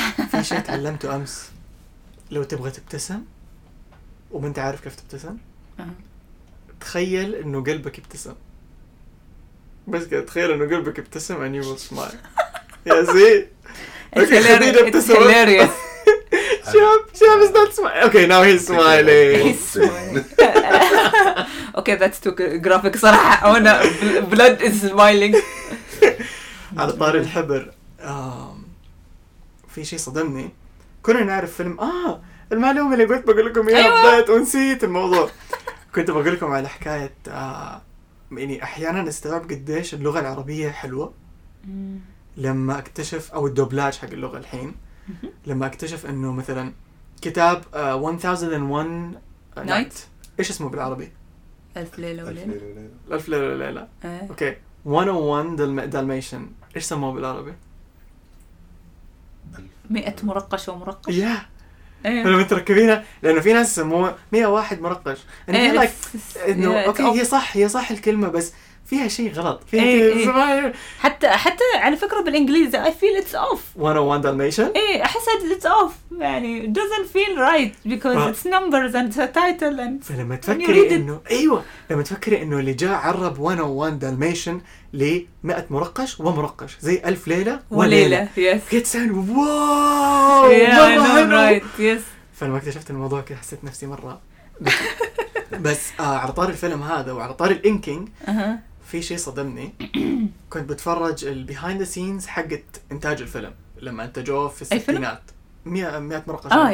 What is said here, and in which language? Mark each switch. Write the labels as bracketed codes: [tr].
[ar] في شيء تعلمته امس لو تبغى تبتسم وما انت عارف كيف تبتسم تخيل انه قلبك يبتسم بس كده تخيل انه قلبك يبتسم [en] and you will smile [ar] يا زي [en] it's hilarious شاب is not smiling okay now he's smiling he's smiling okay that's too graphic [ar] صراحة وانا [en] blood is smiling [ar] على طار الحبر في شيء صدمني كنا نعرف فيلم المعلومة اللي قلت بقول لكم اياها بدأت ونسيت الموضوع كنت بقول لكم على حكاية يعني احيانا استغرب قديش اللغة العربية حلوة لما اكتشف او الدوبلاج حق اللغة الحين لما اكتشف انه مثلا كتاب 1001 [en] night [ar] ايش اسمه بالعربي الف ليلة وليلة الف ليلة وليلة اوكي 101 دالميشن ايش سموه بالعربي 100 مرقش ومرقش يا فلما تركبينها لانه في ناس يسموه 101 مرقش انه اوكي هي صح الكلمة بس فيها شيء غلط فيها حتى على فكرة بالإنجليزي [en] I feel it's off 101 Dalmatian [ar] إيه أحس [en] it's off يعني it doesn't feel right because it's numbers and it's a title and [ar] فلما تفكري and إنه أيوة لما تفكري إنه اللي جاء عرب 101 Dalmatian لمئة مرقش ومرقش زي ألف ليلة وليلة [en] yes it's an wow yeah I'm right yes [ar] فلما اكتشفت الموضوع كده حسيت نفسي مرة بس على طار الفيلم هذا وعلى طار الانكينج في شيء صدمني كنت بتفرج البيهايند ذا سينز حقت انتاج الفيلم لما انتجوه في الستينات 100 مرقش